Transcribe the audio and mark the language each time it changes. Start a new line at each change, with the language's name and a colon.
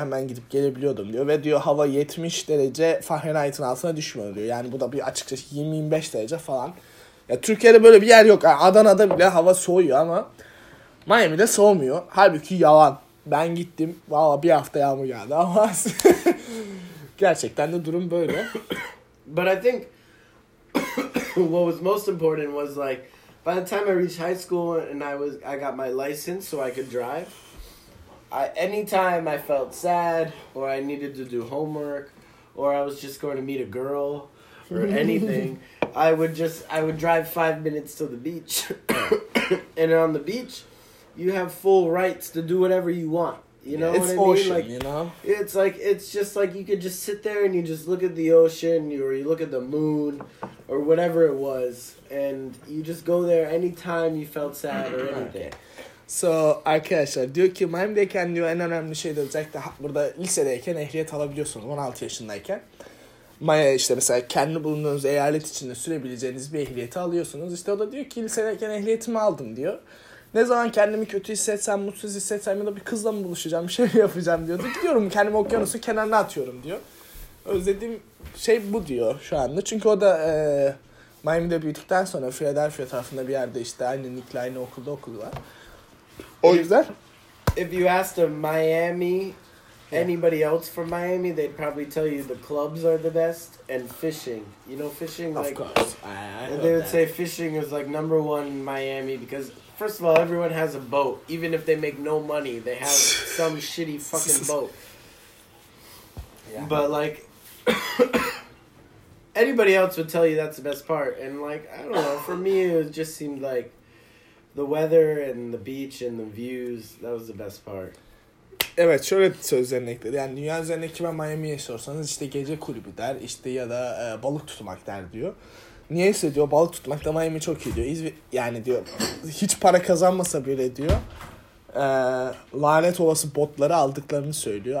Turkish: Hemen gidip gelebiliyordum diyor. Ve diyor hava 70 derece Fahrenheit'in altına düşmüyor diyor. Yani bu da bir açıkçası 20-25 derece falan. Ya Türkiye'de böyle bir yer yok. Yani Adana'da bile hava soğuyor ama Miami'de soğumuyor. Halbuki yalan. Ben gittim. Valla bir hafta yağmur geldi ama gerçekten de durum böyle.
English: But I think what was most important was like by the time I reached high school and I got my license so I could drive. Anytime I felt sad or I needed to do homework or I was just going to meet a girl or anything, I would drive 5 minutes to the beach. And on the beach, you have full rights to do whatever you want. You know it's what I mean? Ocean, like, you know? It's like it's just like you could just sit there and you just look at the ocean or you look at the moon or whatever it was. And you just go there anytime you felt sad or anything.
Turkish: So arkadaşlar diyor ki Miami'deyken diyor en önemli şey de özellikle burada lisedeyken ehliyet alabiliyorsunuz 16 yaşındayken. Maya işte mesela kendi bulunduğunuz eyalet içinde sürebileceğiniz bir ehliyeti alıyorsunuz. İşte o da diyor ki lisedeyken ehliyetimi aldım diyor. Ne zaman kendimi kötü hissetsem, mutsuz hissetsem ya da bir kızla mı buluşacağım, bir şey mi yapacağım diyordu. Gidiyorum kendimi okyanusu kenarına atıyorum diyor. Özlediğim şey bu diyor şu anda. Çünkü o da Miami'de büyüdükten sonra Philadelphia tarafında bir yerde işte aynı Nick'le aynı okulda okulu var. O yüzden.
English: If you asked a Miami, anybody else from Miami, they'd probably tell you the clubs are the best and fishing. You know fishing? Of like, course. And they would say fishing is like number one in Miami because first of all, everyone has a boat. Even if they make no money, they have some shitty fucking boat. Yeah. But like, anybody else would tell you that's the best part. And like, I don't know, for me it just seemed like the weather and the beach and the views, that was the best part.
Turkish: Evet, şöyle sözlerine ekledi. Yani dünya üzerindeki kime Miami'ye sorsanız işte gece kulübü der, işte ya da balık tutmak der diyor. Niyeyse diyor balık tutmak da Miami çok iyi diyor. Yani diyor hiç para kazanmasa bile diyor lanet olası botları aldıklarını söylüyor.